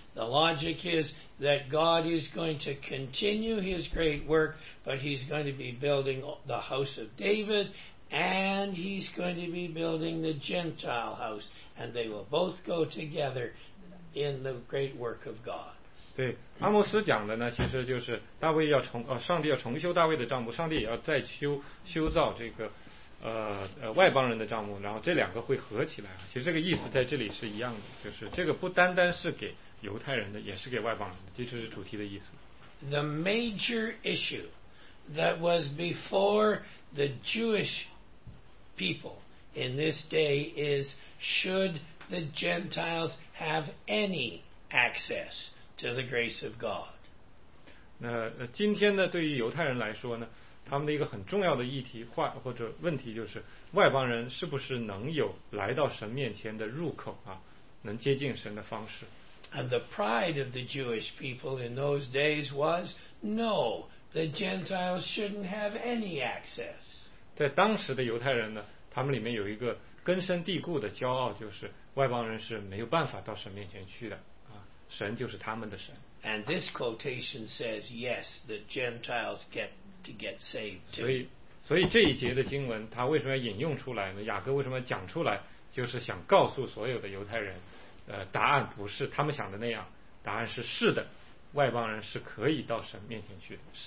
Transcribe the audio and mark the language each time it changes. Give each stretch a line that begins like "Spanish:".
English: The logic is that God is going to continue his great work, but he's going to be building the house of David, and he's going to be building the Gentile house, and they will both go together in the great work of God.
Chinese: 对，阿摩斯讲的呢，其实就是大卫要重，上帝要重修大卫的帐幕，上帝也要再修造这个，外邦人的帐幕，然后这两个会合起来。其实这个意思在这里是一样的，就是这个不单单是给犹太人的，也是给外邦人的，这就是主题的意思。
English: The major issue that was before the Jewish people in this day is should the Gentiles have any access? To the grace of God.
Chinese: 那今天呢，对于犹太人来说呢，他们的一个很重要的议题或者问题就是，外邦人是不是能有来到神面前的入口啊，能接近神的方式。
English: And the pride of the Jewish people in those days was, no, the Gentiles shouldn't have any access.
Chinese: 在当时的犹太人呢，他们里面有一个根深蒂固的骄傲，就是外邦人是没有办法到神面前去的。神就是他们的神。
English: And this quotation says yes, the Gentiles get to get saved too.
Chinese: 所以这一节的经文，他为什么要引用出来呢？雅各为什么讲出来？就是想告诉所有的犹太人，答案不是他们想的那样，答案是的，外邦人是可以到神面前去的。